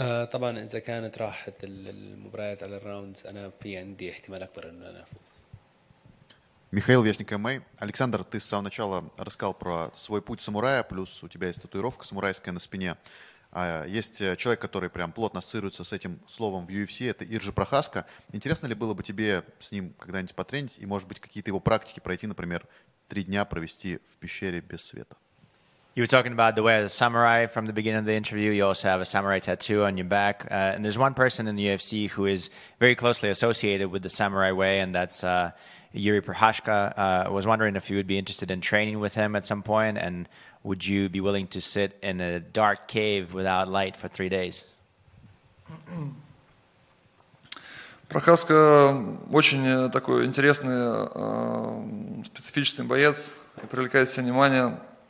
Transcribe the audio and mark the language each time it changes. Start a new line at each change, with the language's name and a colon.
Arabic: طبعا اذا كانت راحت المباريات على الراوندز انا في عندي احتمال اكبر ان انا افوز.
Russian: Михаил Вестник MMA. Александр, ты с самого начала рассказал про свой путь самурая, плюс у тебя есть татуировка самурайская на спине. Есть человек, который прям плотно ассоциируется с этим словом в UFC, это Иржи Прохаска. Интересно ли было бы тебе с ним когда-нибудь потренить и, может быть, какие-то его практики пройти, например, 3 дня провести в пещере без света?
English: You were talking about the way of the samurai from the beginning of the interview. You also have a samurai tattoo on your back. And there's one person in the UFC who is very closely associated with the samurai way, and that's Jiří Procházka. I was wondering if you would be interested in training with him at some point, and would you be willing to sit in a dark cave without light for 3 days?
Russian: Procházka очень такой интересный, специфичный боец, привлекает все внимание.